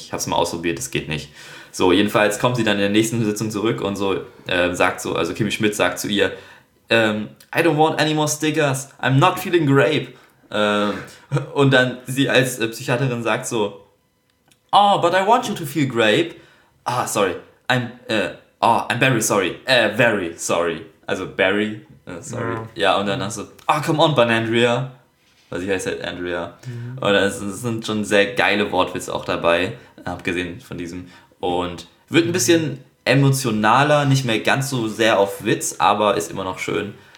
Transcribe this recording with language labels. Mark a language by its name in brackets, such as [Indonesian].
[German] Ich habe es mal ausprobiert, das geht nicht. So, jedenfalls kommt sie dann in der nächsten Sitzung zurück und so sagt so, also Kimi Schmidt sagt zu ihr, [English] I don't want any more stickers, I'm not feeling grape. [German] Und dann sie als Psychiaterin sagt so, [English] oh, but I want you to feel grape. Ah, sorry, I'm very sorry, very sorry. Also Barry, sorry. No. [German] Ja, und dann so, [English] oh, come on, [German] Banandria. Weil sie heißt halt Andrea. Ja. Und es sind schon sehr geile Wortwitze auch dabei, abgesehen von diesem. Und wird ein bisschen emotionaler, nicht mehr ganz so sehr auf Witz, aber ist immer noch schön.